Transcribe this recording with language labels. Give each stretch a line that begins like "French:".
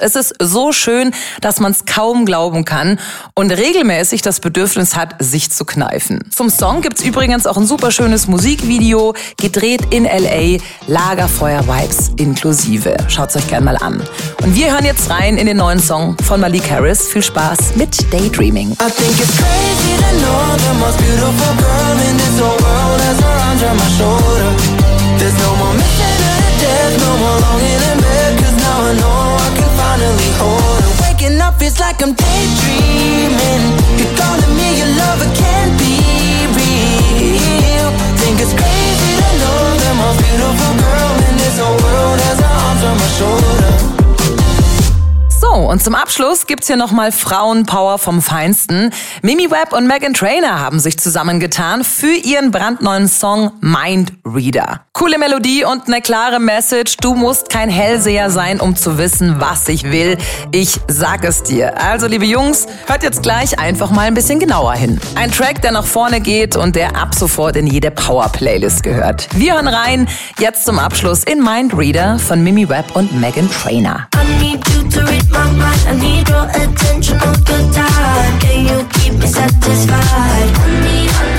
German: Es ist so schön, dass man es kaum glauben kann und regelmäßig das Bedürfnis hat, sich zu kneifen. Zum Song gibt's übrigens auch ein super schönes Musikvideo, gedreht in L.A., Lagerfeuer-Vibes inklusive. Schaut's euch gerne mal an. Und wir hören jetzt rein in den neuen Song von Malik Harris. Viel Spaß mit Daydreaming.
English: I think it's crazy to know the most beautiful girl in this whole world has her arms around my shoulder. There's no more missing her to death, no more longing in bed, cause now I know I can finally hold her. Waking up feels like I'm daydreaming. You're calling me your lover, can't be real. Think it's crazy to know the most beautiful girl in this whole world has her arms around my shoulder.
German: Und zum Abschluss gibt's hier nochmal Frauenpower vom Feinsten. Mimi Webb und Meghan Trainor haben sich zusammengetan für ihren brandneuen Song Mind Reader. Coole Melodie und eine klare Message. Du musst kein Hellseher sein, um zu wissen, was ich will. Ich sag es dir. Also, liebe Jungs, hört jetzt gleich einfach mal ein bisschen genauer hin. Ein Track, der nach vorne geht und der ab sofort in jede Power-Playlist gehört. Wir hören rein, jetzt zum Abschluss in Mind Reader von Mimi Webb und Meghan Trainor.
English: My mind, I need your attention all the time. Can you keep me satisfied?